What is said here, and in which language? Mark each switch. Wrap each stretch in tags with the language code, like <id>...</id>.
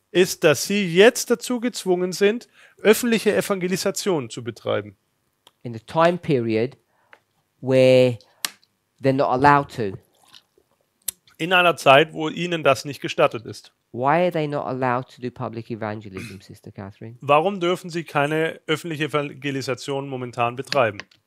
<de>Ist, dass sie jetzt dazu gezwungen sind, öffentliche Evangelisation zu betreiben.</de> <en>In the time period where they're not allowed to.</en> <de>In einer Zeit, wo ihnen das nicht gestattet ist.</de> <en>Why are they not allowed to do public evangelism, Sister Catherine?</en> <de>Warum dürfen sie keine öffentliche Evangelisation momentan betreiben?</de>